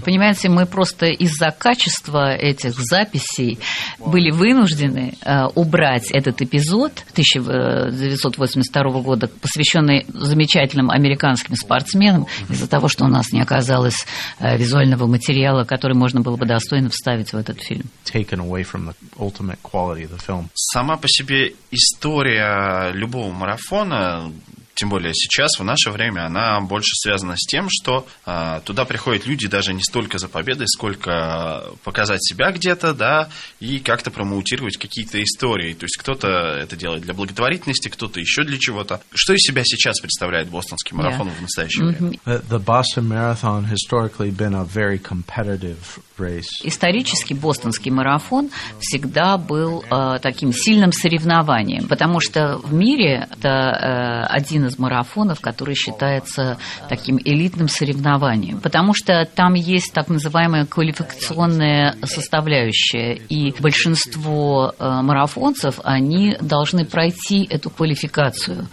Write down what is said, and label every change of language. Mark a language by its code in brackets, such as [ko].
[ru] Понимаете, мы просто из-за качества этих записей были вынуждены убрать этот эпизод 1982 года, посвященный замечательным американским спортсменам, из-за того, что у нас не оказалось визуального материала, который можно было бы достойно вставить в этот фильм. [en] Taken away from the ultimate quality of the film. [ru] Сама по себе история любого марафона, тем более сейчас, в наше время, она больше связана с тем, что туда приходят люди даже не столько за победой, сколько показать себя где-то, да, и как-то промоутировать какие-то истории. То есть кто-то это делает для благотворительности, кто-то еще для чего-то. Что из себя сейчас представляет бостонский марафон в настоящее время? [en] The Boston Marathon historically been a very competitive race. [ru] Исторически бостонский марафон всегда был таким сильным соревнованием, потому что в мире это один из марафонов, который считается таким элитным соревнованием, потому что там есть так называемая квалификационная составляющая, и большинство марафонцев, они должны пройти эту квалификацию.